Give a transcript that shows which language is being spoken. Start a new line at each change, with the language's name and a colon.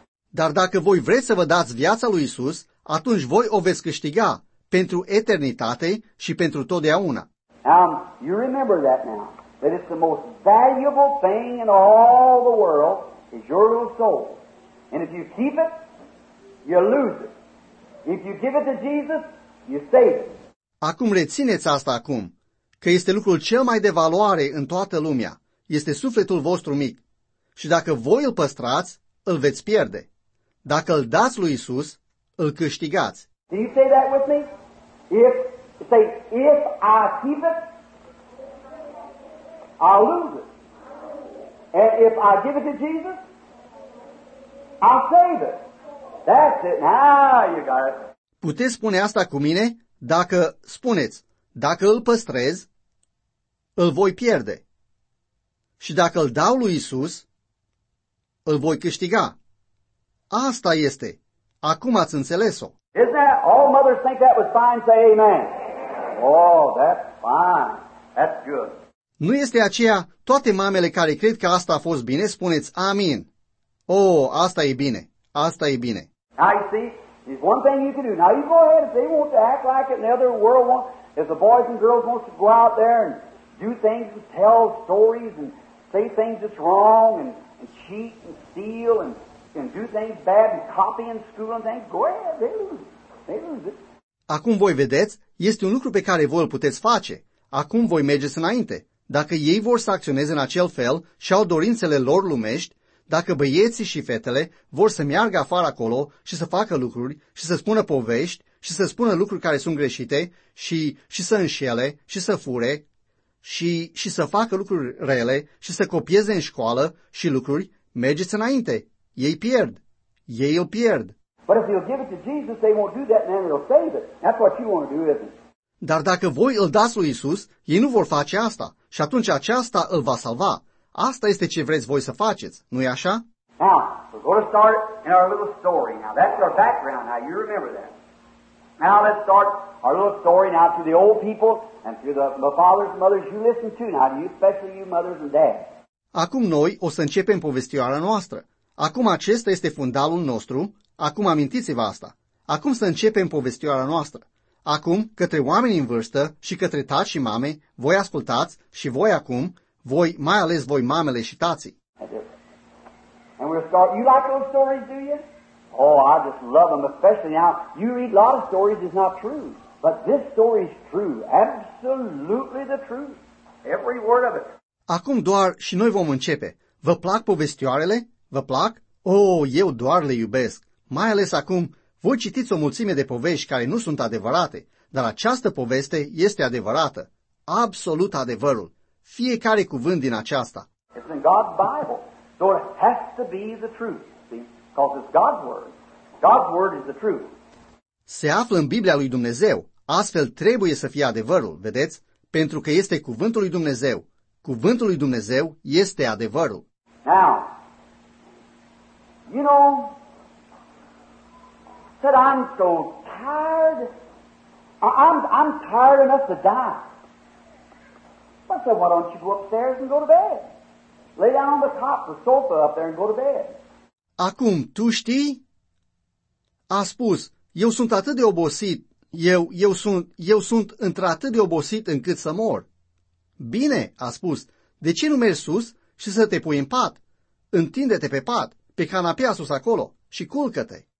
Romanian: Dar dacă voi vreți să vă dați viața lui Isus, atunci voi o veți câștiga pentru eternitate și pentru totdeauna.
English: You remember that now, that it's the most valuable thing in all the world is your little soul. And if you keep it, you lose it. If you give it to Jesus, you save it.
Romanian: Acum rețineți asta acum, că este lucrul cel mai de valoare în toată lumea. Este sufletul vostru mic. Și dacă voi îl păstrați, îl veți pierde. Dacă îl dați lui Isus, îl câștigați.
English: Do you say that with me? If I keep it, I'll lose it. And if I give it to Jesus, I'll save it. That's it. Now you got it.
Romanian: Puteți spune asta cu mine? Dacă, spuneți, dacă îl păstrez, îl voi pierde. Și dacă îl dau lui Isus, îl voi câștiga. Asta este. Acum ați înțeles-o.
English: Isn't that, all mothers think that was fine, say amen. Oh, that's fine. That's good.
Romanian: Nu este aceea, toate mamele care cred că asta a fost bine, spuneți amin. Oh, asta e bine. Asta e bine.
English: I see, there's one thing you can do. Now you go ahead, if they want to act like it in the other world, if the boys and girls want to go out there and do things and tell stories and say things that's wrong and cheat and steal and do things bad and copy in school and things, go ahead, they lose it.
Romanian: Acum voi vedeți, este un lucru pe care voi îl puteți face. Acum voi mergeți înainte. Dacă ei vor să acționeze în acel fel și au dorințele lor lumești, dacă băieții și fetele vor să meargă afară acolo și să facă lucruri și să spună povești și să spună lucruri care sunt greșite și să înșele și să fure și să facă lucruri rele și să copieze în școală și lucruri, mergeți înainte. Ei pierd. Ei îl pierd.
English: But if you'll give it to Jesus, they won't do that, and it'll save it. That's what you want to do, isn't it?
Romanian: Dar dacă voi îl dați lui Isus, ei nu vor face asta, și atunci aceasta îl va salva. Asta este ce vreți voi să faceți, nu-i așa?
English: Now, we're going to start in our little story. Now, that's our background. Now, you remember that. Now, let's start our little story now to the old people and to the fathers and mothers you listen to. Now, to you, especially you mothers and dads.
Romanian: Acum noi o să începem povestioara noastră. Acum acesta este fundalul nostru. Acum amintiți-vă asta. Acum să începem povestioara noastră. Acum, către oamenii în vârstă și către tați și mame, voi ascultați și voi acum, voi, mai ales voi mamele și tații.
English: And we'll start. You like those stories, do you? Oh, I just love them, especially now. You read a lot of stories, it's not true. But this story is true. Absolutely the truth. Every word of it.
Romanian: Acum doar și noi vom începe. Vă plac povestioarele? Vă plac? Oh, eu doar le iubesc. Mai ales acum, voi citiți o mulțime de povești care nu sunt adevărate, dar această poveste este adevărată, absolut adevărul, fiecare cuvânt din aceasta.
English: It's in God's Bible, so it has to be the truth, see, because it's God's word. God's word is the truth.
Romanian: Se află în Biblia lui Dumnezeu, astfel trebuie să fie adevărul, vedeți? Pentru că este cuvântul lui Dumnezeu. Cuvântul lui Dumnezeu este adevărul.
English: Now, you know, said I'm so tired. I'm tired enough to die. But I said, why don't you go upstairs and go to bed? Lay down on the top of the sofa up there and go to bed.
Romanian: Acum, tu știi? A spus, eu sunt atât de obosit, eu sunt într-atât de obosit încât să mor. Bine, a spus, de ce nu mergi sus și să te pui în pat? Întinde-te pe pat, pe canapea sus acolo și culcă-te.